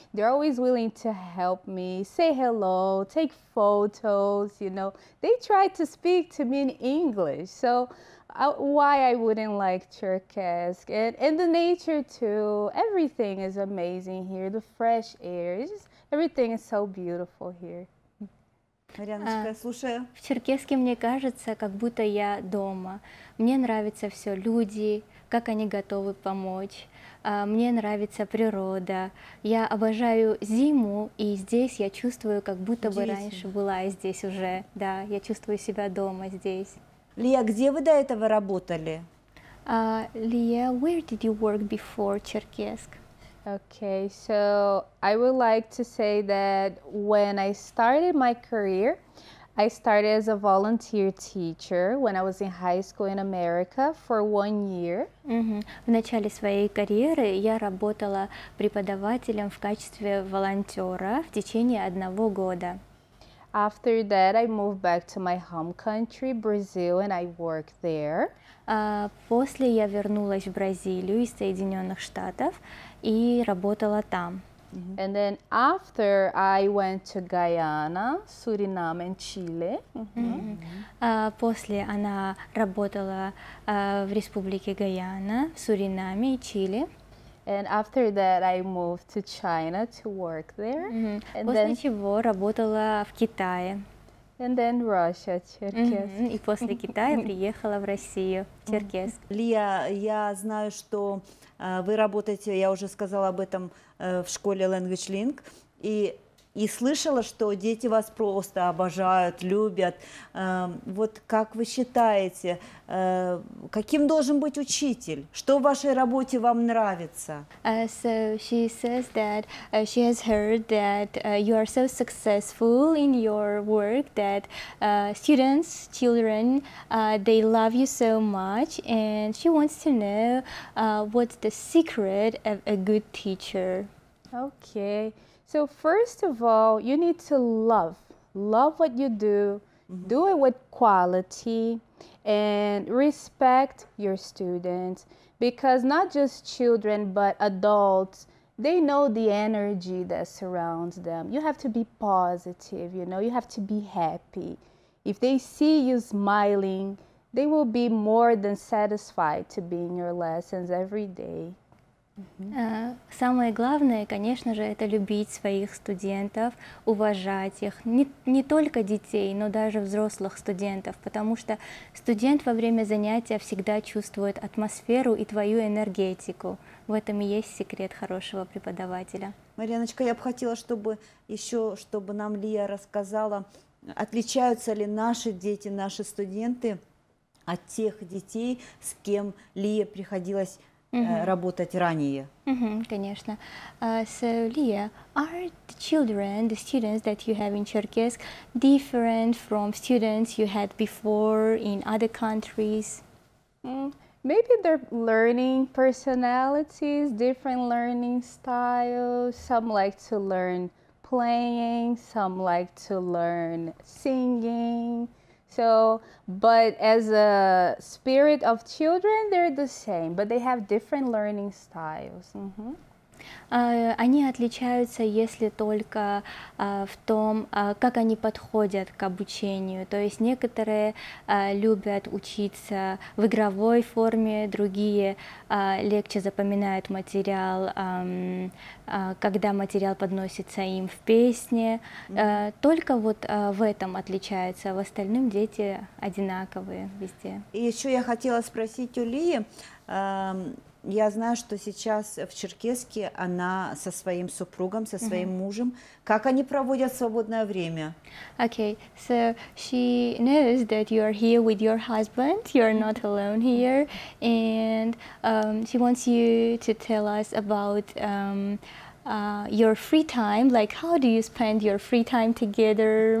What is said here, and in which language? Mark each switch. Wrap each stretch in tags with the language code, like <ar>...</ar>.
<en>They're always willing to help me, say hello, take photos, you know. They try to speak to me in English. So why I wouldn't like Черкесск, and the nature too, everything is amazing here, the fresh air, it's just, everything is so beautiful here.</en> <ru>Марьяночка, слушаю. В Черкесске мне кажется, как будто я дома. Мне нравится все, люди, как они готовы помочь. Мне нравится природа. Я обожаю зиму, и здесь я чувствую, как будто бы раньше была здесь уже. Да, я чувствую себя дома здесь. Лия, где вы до этого работали?</ru> <en>Лия, where did you work before Черкесск? Okay, so I would like to say that when I started my career, I started as a volunteer teacher when I was in high school in America for 1 year. Mm-hmm.</en> <ru>В начале своей карьеры я работала преподавателем в качестве волонтера в течение 1 года.</ru> <en>After that, I moved back to my home country, Brazil, and I worked there.</en> <ru>После я вернулась в Бразилию из Соединенных Штатов и работала там. Mm-hmm.</ru> <en>And then after, I went to Guyana, Suriname, and Chile.</en> <ru>После она работала в Республике Гайана, в Суринаме и Чили.</ru> <en>And after that, I moved to China to work there. Mm-hmm.</en> <ru>После чего работала в Китае.</ru> <en>And then Russia, Черкесск. Mm-hmm.</en> <ru>И после Китая приехала в Россию, в Черкесск. Лия, я знаю, что вы работаете, я уже сказала об этом, в школе Language Link. И слышала, что дети вас просто обожают, любят. Вот как вы считаете, каким должен быть учитель? Что в вашей работе вам нравится?</ru> <en>So she says that she has heard that you are so successful in your work that students, children, they love you so much, and she wants to know what's the secret of a good teacher. Okay. So first of all, you need to love what you do, mm-hmm. do it with quality, and respect your students, because not just children, but adults, they know the energy that surrounds them. You have to be positive, you know, you have to be happy. If they see you smiling, they will be more than satisfied to be in your lessons every day.</en> <ru>Самое главное, конечно же, это любить своих студентов, уважать их, не только детей, но даже взрослых студентов, потому что студент во время занятия всегда чувствует атмосферу и твою энергетику. В этом и есть секрет хорошего преподавателя. Марьяночка, я бы хотела, чтобы нам Лия рассказала, отличаются ли наши дети, наши студенты от тех детей, с кем Лия приходилось работать ранее. Конечно.</ru> <en>So, Lia, are the children, the students that you have in Cherkessk, different from students you had before in other countries? Maybe their learning personalities, different learning styles. Some like to learn playing, some like to learn singing. So, but as a spirit of children, they're the same, but they have different learning styles.</en> <ru>Они отличаются, если только в том, как они подходят к обучению. То есть некоторые любят учиться в игровой форме, другие легче запоминают материал, когда материал подносится им в песне. Только вот в этом отличаются, в остальном дети одинаковые везде. И еще я хотела спросить у Лии. Я знаю, что сейчас в Черкесске она со своим супругом, со своим мужем. Как они проводят свободное время?</ru> <en>Okay, so she knows that you are here with your husband. You are not alone here. And she wants you to tell us about your free time. Like, how do you spend your free time together?</en>